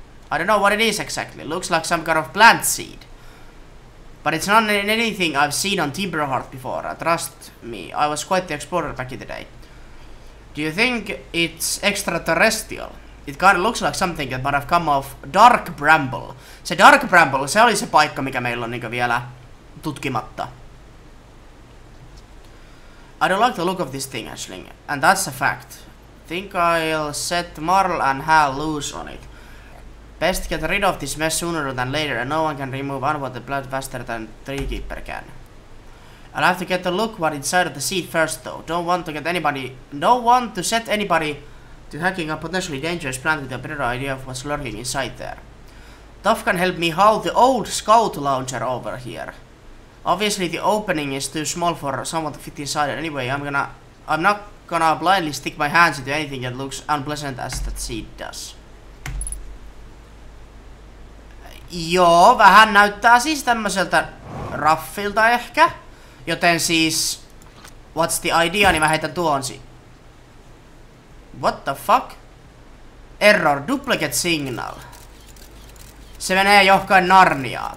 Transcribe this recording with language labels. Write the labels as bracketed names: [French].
[English] I don't know what it is exactly. Looks like some kind of plant seed. But it's not anything I've seen on Timberhearth before. Trust me, I was quite the explorer back in the day. Do you think it's extraterrestrial? It kind of looks like something that might have come off Dark Bramble. [Finnish] Se Dark Bramble, se oli se paikka, mikä meillä on niinku vielä tutkimatta. [English] I don't like the look of this thing, Ashling, and that's a fact. Think I'll set Marl and Hal loose on it. Best get rid of this mess sooner than later, and no one can remove unwanted blood faster than Treekeeper can. I'll have to get a look what inside of the seed first though. Don't want to set anybody to hacking a potentially dangerous plant with a better idea of what's lurking inside there. Tuff can help me haul the old scout launcher over here. Obviously the opening is too small for someone to fit inside it. Anyway, I'm not gonna blindly stick my hands into anything that looks unpleasant as that seed does. [Finnish] Joo, vähän näyttää siis tämmöseltä raffilta ehkä. Joten siis, [English] what's the idea, [Finnish] niin mä heitän tuonsi. [English] What the fuck? Error, duplicate signal. [Finnish] Se menee johonkin Narniaan.